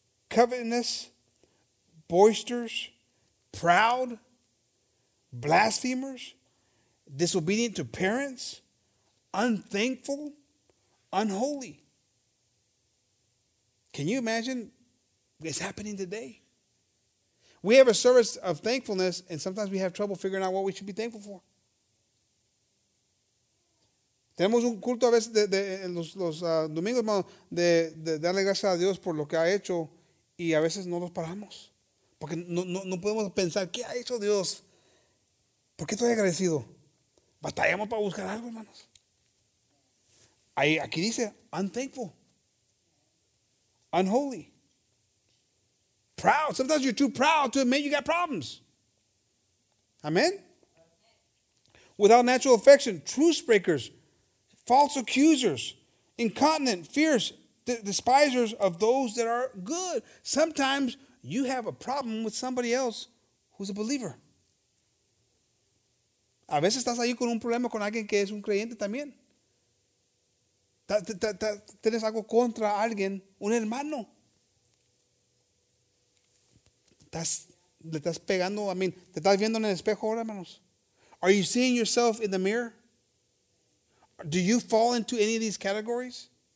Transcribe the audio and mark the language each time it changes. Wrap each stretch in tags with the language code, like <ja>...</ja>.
<en>Covetousness, boisterous, proud, blasphemers, disobedient to parents, unthankful, unholy. Can you imagine what's happening today? We have a service of thankfulness, and sometimes we have trouble figuring out what we should be thankful for.</en> <es>Tenemos un culto a veces de los domingos de darle gracias a Dios por lo que ha hecho, y a veces no nos paramos. Porque no podemos pensar, ¿qué ha hecho Dios? ¿Por qué estoy agradecido? Batallamos para buscar algo, hermanos. Aquí dice,</es> <en>unthankful. Unholy. Proud. Sometimes you're too proud to admit you got problems. Amen? Without natural affection, truce breakers, false accusers, incontinent, fierce, despisers of those that are good. Sometimes you have a problem with somebody else who's a believer.</en> <es>A veces estás ahí con un problema con alguien que es un creyente también. Tienes algo contra alguien, un hermano. Le estás pegando,</es> <en>I mean,</en> <es>te estás viendo en el espejo ahora, hermanos.</es> <en>Are you seeing yourself in the mirror? Do you fall into any of these categories?</en>